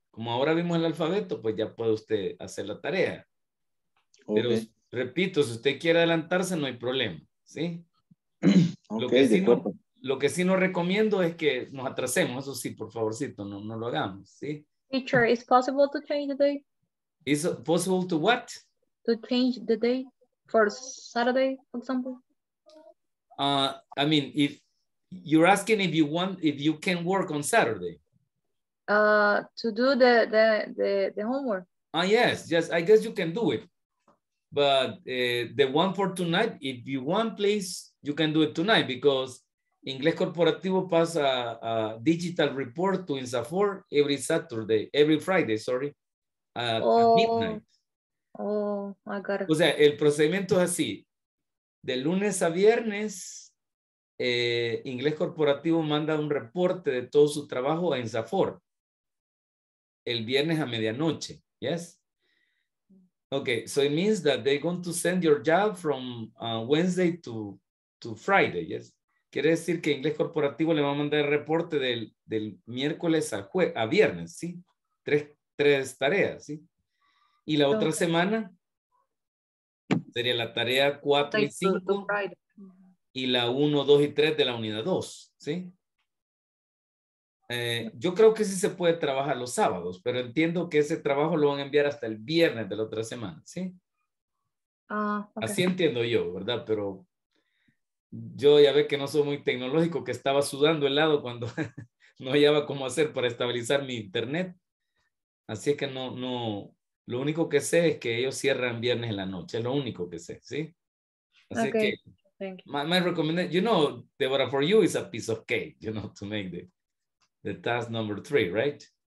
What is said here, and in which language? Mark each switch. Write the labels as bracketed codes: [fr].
[es] Como ahora vimos el alfabeto, pues ya puede usted hacer la tarea. Okay. Pero, repito, si usted quiere adelantarse, no hay problema, ¿sí? Okay, lo que sí, no recomiendo es que nos atrasemos. Eso sí, por favorcito, no lo hagamos, ¿sí? [en] Teacher, is possible to change the day? Is it possible to what? To change the day for Saturday, for example. You're asking if you can work on Saturday. To do the homework. Yes, I guess you can do it. But the one for tonight, if you want, please, you can do it tonight because Inglés Corporativo [es] pasa a [en] digital report to INSAFOR every Friday, at midnight. Oh, I got it. [es] O sea, el procedimiento es así. De lunes a viernes, Inglés Corporativo manda un reporte de todo su trabajo a INSAFOR el viernes a medianoche. [en] Yes. Okay, so it means that they're going to send your job from Wednesday to Friday. Yes. [es] Quiere decir que Inglés Corporativo le va a mandar el reporte del miércoles a viernes, ¿sí? Tres tareas, ¿sí? Y la otra semana sería la tarea 4 y 5. Y la 1, 2 y 3 de la unidad 2, ¿sí? Yo creo que sí se puede trabajar los sábados, pero entiendo que ese trabajo lo van a enviar hasta el viernes de la otra semana, ¿sí? Okay. Así entiendo yo, ¿verdad? Pero yo ya ve que no soy muy tecnológico, que estaba sudando helado cuando no hallaba cómo hacer para estabilizar mi internet. Así es que no, lo único que sé es que ellos cierran viernes en la noche, es lo único que sé, ¿sí? Así que... [en] thank you. My recommendation, you know, Deborah, for you is a piece of cake, you know, to make the task number three, right?